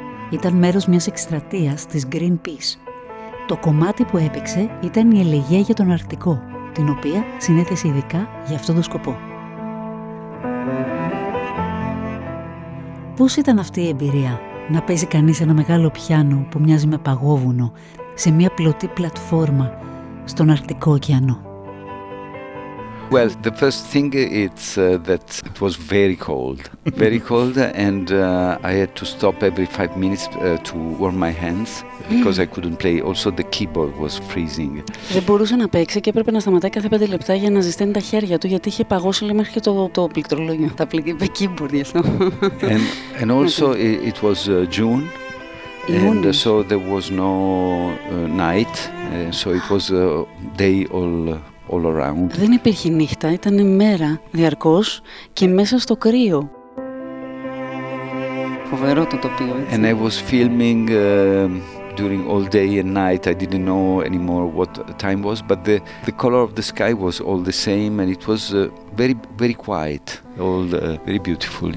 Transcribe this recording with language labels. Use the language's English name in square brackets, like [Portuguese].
[Greek] Ήταν μέρος μιας εκστρατείας της Greenpeace. Το κομμάτι που έπαιξε ήταν η ελεγεία για τον Αρκτικό, την οποία συνέθεσε ειδικά για αυτόν τον σκοπό. Πώς ήταν αυτή η εμπειρία να παίζει κανείς ένα μεγάλο πιάνο που μοιάζει με παγόβουνο σε μια πλωτή πλατφόρμα στον Αρκτικό ωκεανό? [English] Well, the first thing it's that it was very cold, very cold, and I had to stop every 5 minutes to warm my hands because I couldn't play. Also, the keyboard was freezing. [Greek] Δεν μπορούσε να παίξει και έπρεπε να σταματάει κάθε 5 λεπτά για να ζεσταίνει τα χέρια του γιατί είχε παγώσει λίγο μέχρι και το πληκτρολόγιο, τα keyboard. [English] And also, it was June. And so there was no night, so it was day all around. [Greek] Δεν υπήρχε νύχτα, ήταν μέρα διαρκώς και μέσα στο κρύο. Φοβερό το τοπίο, έτσι. [English] And I was filming during all day and night. I didn't know anymore what time was, but the color of the sky was all the same, and it was very very quiet, all very beautiful.